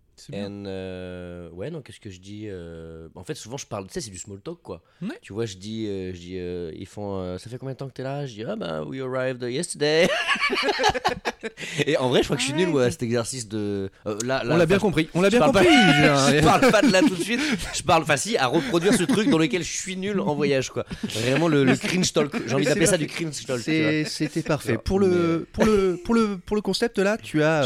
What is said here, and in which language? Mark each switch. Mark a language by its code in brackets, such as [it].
[fr] Ouais, non, qu'est-ce que je dis En fait, souvent, je parle, tu sais, c'est du small talk, quoi. Ouais. Tu vois, je dis ils font, ça fait combien de temps que t'es là? Je dis, ah bah, [en] we arrived yesterday. [fr] Et en vrai, je crois que je suis nul, ouais, à cet exercice de... On l'a bien compris. Je parle pas de là tout de suite. Je parle, enfin si, à reproduire ce truc dans lequel je suis nul en voyage, quoi. Vraiment le cringe talk. J'ai envie d'appeler ça du cringe talk. C'était parfait. Alors, pour le concept, là, tu as...